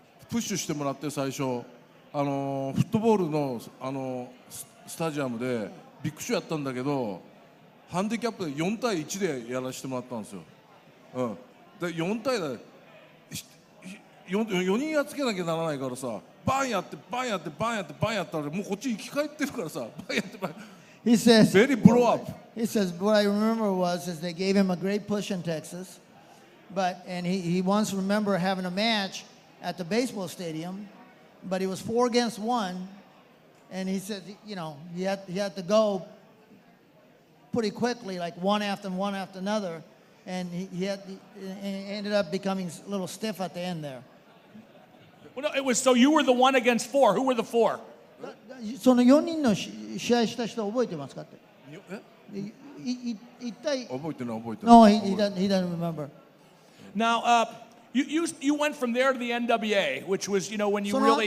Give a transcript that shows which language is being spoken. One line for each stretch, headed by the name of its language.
Japanese: プッシュしてもらって最初あのフットボールのあのスタジアムでビッグショーやったんだけどハンディキャップで4対1でやらせてもらったんですよ、うん、で4対で 4人やっつけなきゃならないからさバンやってバンやってバンやってバンやったらもうこっち生き返ってるからさバンやってバン
English: He says very blow up He says what I remember was is they gave him a great push in Texas but and he once remember having a matchAt the baseball stadium, but he was 4-1, and he said, you know, he had to go pretty quickly, like one after another, and he ended up becoming a little stiff at the end there. Well, no, it was so you were the one against four. Who were the four?
Japanese: その4人の試合した人覚えてますかって。覚えてない。
English: No, he doesn't remember. Now, You went from there to the NWA, which was, you know, when you really...